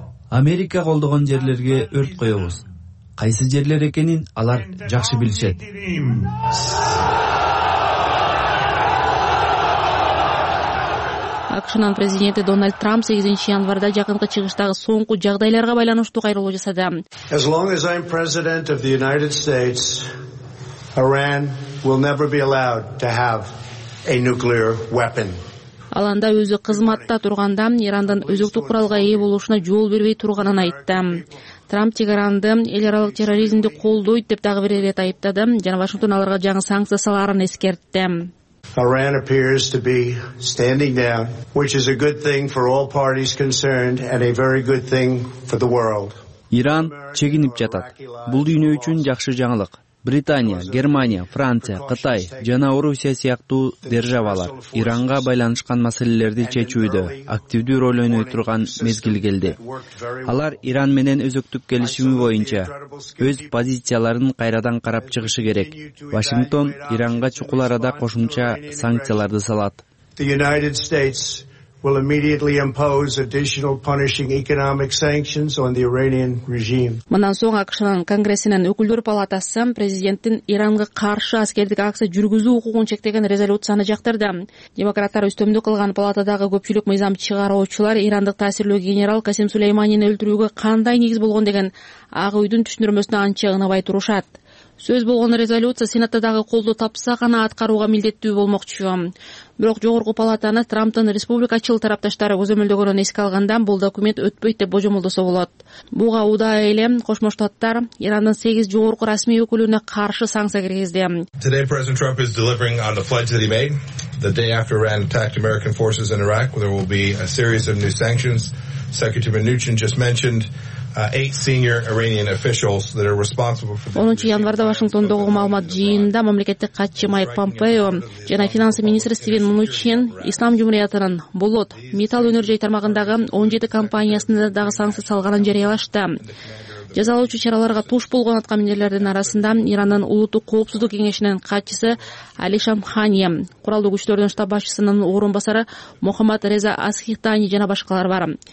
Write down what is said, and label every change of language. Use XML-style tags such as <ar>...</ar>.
<ky>Америка колдогон жерлерге өрт коебуз. Кайсы жерлер экенин алар жакшы билишет. АКШнын президенти Дональд Трамп 8 январда жакынкы чыгыштагы соңку жагдайларга байланыштуу кайрылуу жасады.</ky> <en>As long as I'm president of the United States, Iran will never be allowed to have a nuclear weapon.</en> <ky>Аланда өзү кызматта турганда Ирандын өзөктүк куралга ээ болушуна жол бербей турганын айтты. Трамп Тегеранды эл аралык терроризмди колдойт деп дагы бир ирет айыптады жана Вашингтон аларга жаңы санкция саларын эскертти.</ky> <en>Iran appears to be standing down, which is a good thing for all parties concerned and a very good thing for the world.</en> <ky>Иран чегинип жатат. Бул дүйнө үчүн жакшы жаңылык. Британия, Германия, Франция, Кытай жана Орусия сыяктуу державалар Иранга байланышкан маселелерди чечүүдө активдүү роль ойной турган мезгил келди. Алар Иран менен өзөктүк келишими боюнча өз позицияларын кайрадан карап чыгышы керек. Вашингтон Иранга чукул арада кошумча санкцияларды салат.</ky> <en>The United States will immediately impose additional punishing economic sanctions on the Iranian regime.</en> <ky>Мындан соң АКШнын Конгрессинин өкүлдөр палатасы президенттин Иранга каршы аскердик акция жүргүзүү укугун чектеген резолюцияны жактырды. Демократтар үстөмдүк кылган палатадагы көпчүлүк мыйзам чыгаруучулар Ирандык таасирлүү генерал Касим Сулейманийни өлтүрүүгө кандай негиз болгон деген Ак үйдүн түшүндүрмөсүнө анчыгынабай турушат. Сөз болгон резолюция Сенатта дагы колдоо тапса гана аткарууга милдеттүү болмокчу. Бирок жогорку палатаны Трамптын республикачыл тарапташтары көзөмөлдөгөнүн эске алгандан бул документ өтпөйт деп божомолдосо болот. Буга удай эле Кошмо Штаттар Ирандын 8 жогорку расмий өкүлүнө каршы санкция киргизди.</ky> <en>Today President Trump is delivering on the pledge that he made the day after Iran attacked American forces in Iraq. There will be a series of new sanctions. Secretary Mnuchin just mentioned 8 senior Iranian officials that are responsible for the</en> <ky>10-чи январда Вашингтондогу маалымат жыйынында мамлекеттик катчы Майк Помпео жана финансы министри Стивен Мнучин Ислам Жумуриятынын болот металл өнөр жай тармагындагы 17 компаниясына дагы санкция салганын жарыялашты. Жазалоочу чараларга туш болгон аткаминерлердин арасында Ирандын улуттук коопсуздук кеңешинин катчысы Али Шамхани, куралдуу күчтөрдүн штаб башчысынын орун басары Мухаммад Реза Асхихтани жана башкалар бар.</ky>